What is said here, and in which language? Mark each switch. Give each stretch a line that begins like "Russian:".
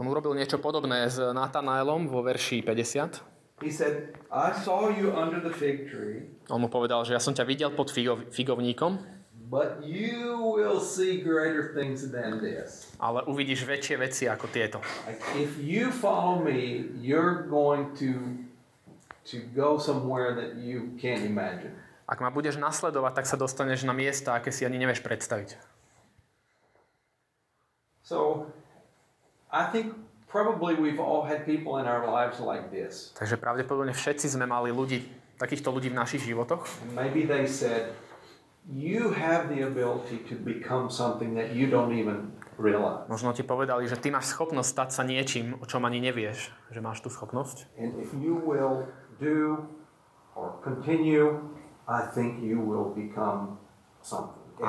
Slovak: On urobil niečo podobné s Nathanaelom vo verši 50.
English: He said, "I saw you under the fig tree."
Slovak: On mu povedal, že ja som ťa videl pod figovníkom.
English: "But you will see greater things than this."
Slovak: Ale uvidíš väčšie veci ako tieto.
English: If you follow me, you're going to go somewhere that you can't imagine.
Slovak: Ak ma budeš nasledovať, tak sa dostaneš na miesta, aké si ani nevieš predstaviť.
English: So I think probably we've all had people in our lives like this.
Slovak: Takže pravdepodobne všetci sme mali ľudí, takýchto ľudí v našich životoch.
English: And maybe they said you have the ability to become something that you don't even realize.
Slovak: Možno ti povedali, že ty máš schopnosť stať sa niečím, o čom ani nevieš, že máš tú schopnosť.
English: And if you will do or continue, I think you will become something.